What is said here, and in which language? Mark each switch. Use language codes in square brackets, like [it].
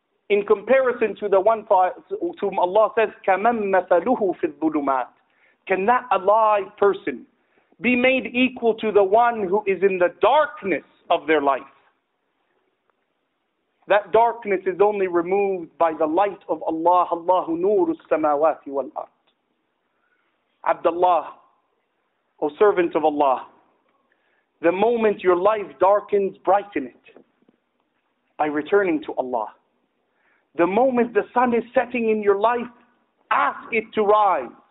[en] In comparison to the one to whom Allah says, [ar] كَمَنْ مَثَلُهُ فِي الظُّلُمَاتِ. [en] Can that alive person be made equal to the one who is in the darkness of their life? That darkness is only removed by the light of Allah. [ar] Allahu نُورُ السَّمَاوَاتِ وَالْأَرْضِ. [en] Abdullah, O servant of Allah, the moment your life darkens, brighten it by returning to Allah. The moment the sun is setting in your life, ask it to rise.